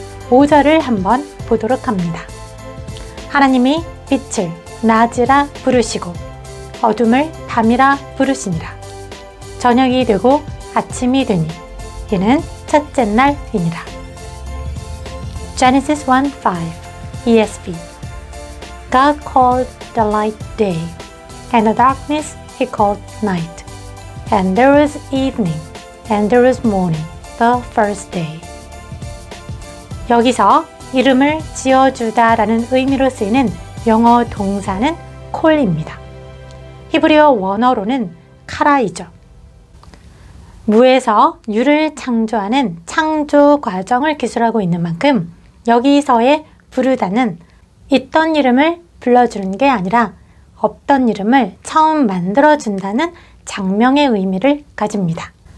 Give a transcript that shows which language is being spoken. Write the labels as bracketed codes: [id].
[ko] 5절을 한번 보도록 합니다. 하나님이 빛을 낮이라 부르시고 어둠을 밤이라 부르시니라. 저녁이 되고 아침이 되니 이는 첫째 날이니라. [en] Genesis 1:5 ESV. God called the light day, and the darkness he called night. And there was evening, and there was morning, the first day. [ko] 여기서 이름을 지어주다 라는 의미로 쓰이는 영어 동사는 콜입니다. 히브리어 원어로는 카라이죠. 무에서 유를 창조하는 창조 과정을 기술하고 있는 만큼 여기서의 부르다는 있던 이름을 불러주는 게 아니라 없던 이름을 처음 만들어준다는 장명의 의미를 가집니다.